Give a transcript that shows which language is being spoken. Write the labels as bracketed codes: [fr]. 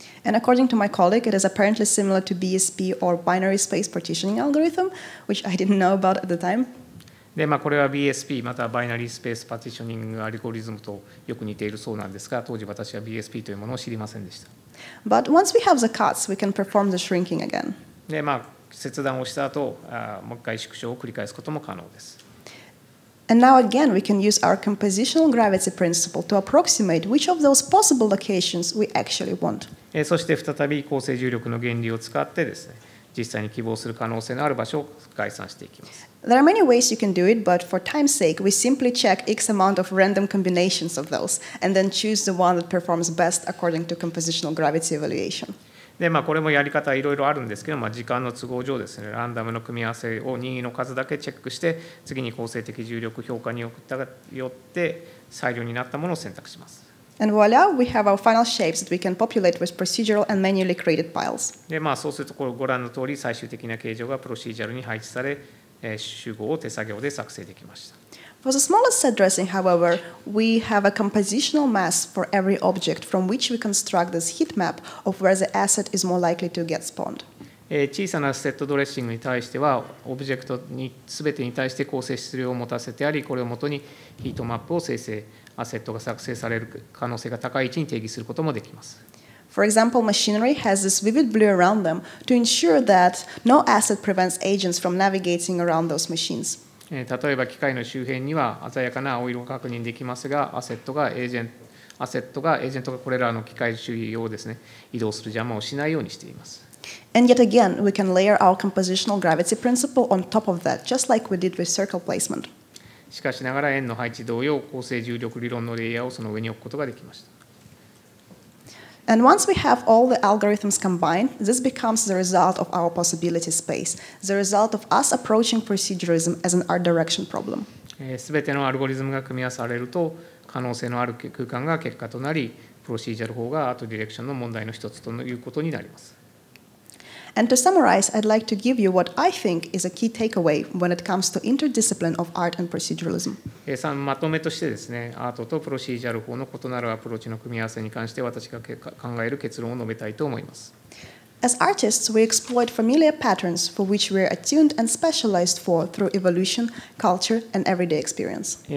[en] And according to my colleague, it is apparently similar to BSP or binary space partitioning algorithm, which I didn't know about at the time. [ja] で、まあ、これは BSP、またはバイナリースペースパティショニングアルゴリズムとよく似ているそうなんですが、当時私は BSP というものを知りませんでした。 [en] But once we have the cuts, we can perform the shrinking again. [ja] で、まあ、切断をした後、もう一回縮小を繰り返すことも可能です。 [en] And now again, we can use our compositional gravity principle to approximate which of those possible locations we actually want. [ja] そして再び構成重力の原理を使ってですね、実際に希望する可能性のある場所を概算していきます。 [en] There are many ways you can do it, but for time's sake, we simply check X amount of random combinations of those, and then choose the one that performs best according to compositional gravity evaluation. [ja] で、まあ、これもやり方はいろいろあるんですけど、まあ、時間の都合上ですね、ランダムの組み合わせを任意の数だけチェックして、次に構成的重力評価によって最良になったものを選択します。 [en] And voila, we have our final shapes that we can populate with procedural and manually created piles. [ja] で、まあ、そうするとこれご覧の通り、最終的な形状がプロシージャルに配置され、集合を手作業で作成できました。 [en] For the smallest set dressing, however, we have a compositional mass for every object from which we construct this heat map of where the asset is more likely to get spawned. [ja] 小さなセットドレッシングに対しては、オブジェクトに全てに対して構成質量を持たせてあり、これをもとにヒートマップを生成、アセットが作成される可能性が高い位置に定義することもできます。 [en] For example, machinery has this vivid blue around them to ensure that no asset prevents agents from navigating around those machines. [ja] 例えば機械の周辺には鮮やかな青色が確認できますが、アセットがエージェントがこれらの機械周囲をですね、移動する邪魔をしないようにしています。 [en] And yet again, we can layer our compositional gravity principle on top of that, just like we did with circle placement. [ja] しかしながら円の配置同様、構成重力理論のレイヤーをその上に置くことができました。 [en] And once we have all the algorithms combined, this becomes the result of our possibility space, the result of us approaching procedurism as an art direction problem. [ja] 全てのアルゴリズムが組み合わされると、可能性のある空間が結果となり、プロシージャル法がアートディレクションの問題の一つということになります。 [en] And to summarize, I'd like to give you what I think is a key takeaway when it comes to interdiscipline of art and proceduralism. [ja] まとめとしてですね、アートとプロシージャル法の異なるアプローチの組み合わせに関して私が考える結論を述べたいと思います。 [en] As artists, we exploit familiar patterns for which we are attuned and specialized for through evolution, culture, and everyday experience.